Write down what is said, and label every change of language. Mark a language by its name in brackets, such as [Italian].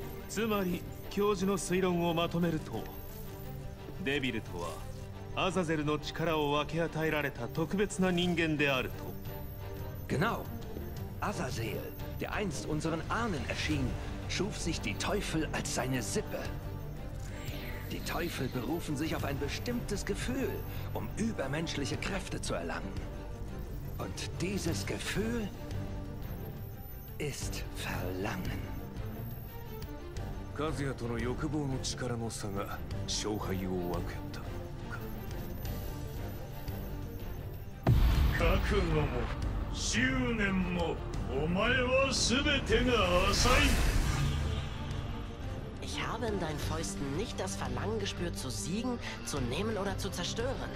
[Japanese] Zumari, 教授の推論をまとめると、デビルとはアザゼルの力を分け与えられた特別な人間であると。 [German] Genau. Azazel, der einst unseren Ahnen erschien, schuf sich die Teufel als seine Sippe. Die Teufel berufen sich auf ein bestimmtes Gefühl, um übermenschliche Kräfte zu erlangen. Und dieses Gefühl ist Verlangen. [Japanese] Kazuya との欲望の力の差が勝敗を分けたのか。覚悟も執念もお前は全てが浅い。 [German] Ich habe in deinen Fäusten nicht das Verlangen gespürt, zu siegen, zu nehmen oder zu zerstören.